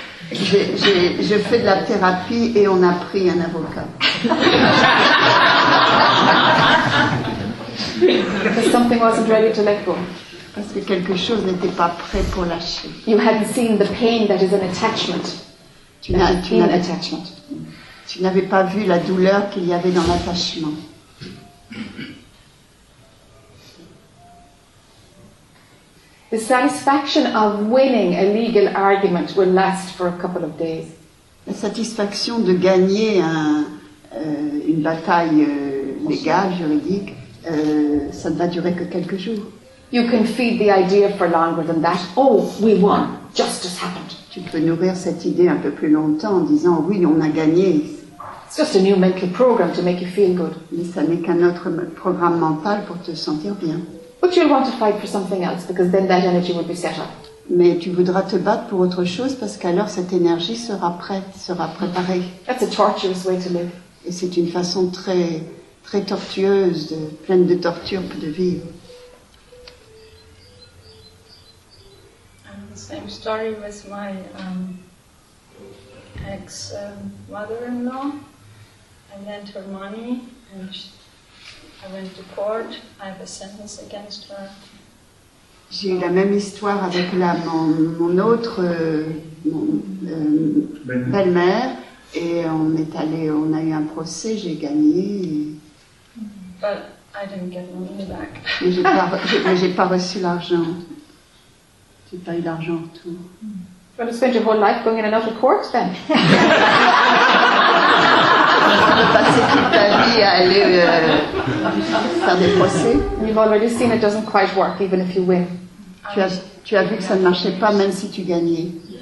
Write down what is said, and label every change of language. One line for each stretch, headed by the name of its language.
French: Je fais de la thérapie et on a pris un avocat.
English: Because something wasn't ready to let go.
French: Parce que quelque chose n'était pas prêt pour lâcher.
English: You hadn't seen the pain that is an attachment.
French: Tu n'avais pas vu la douleur qu'il y avait dans l'attachement.
English: The satisfaction of winning a legal argument will last for a couple of days.
French: La satisfaction de gagner une bataille légale, juridique, ça ne va durer que quelques jours.
English: You can feed the idea for longer than that. Oh, we won. Justice happened.
French: Tu peux nourrir cette idée un peu plus longtemps en disant, oui, on a gagné.
English: It's just a new mental program to make you feel good.
French: Mais ça n'est qu'un autre programme mental pour te sentir bien.
English: But you'll want to fight for something else because then that energy will be set up.
French: Mais tu voudras te battre pour autre chose parce qu'alors cette énergie sera prête, sera préparée.
English: That's a torturous way to live.
French: Et c'est une façon très, très tortueuse, pleine de tortures de vivre.
English: Same story with my ex-mother-in-law. I lent her money and I went to court. I have a sentence against her.
French: J'ai eu la même histoire avec mon autre belle-mère et on a eu un procès, j'ai gagné. But I didn't get money back. mais j'ai pas reçu l'argent. J'ai pas eu d'argent en tout.
English: You want to spend your whole life going in and out of court then?
French: De passer toute ta vie à aller faire des procès.
English: You've already seen it doesn't quite work even if you win.
French: Tu as vu que ça ne marchait pas même si tu gagnais.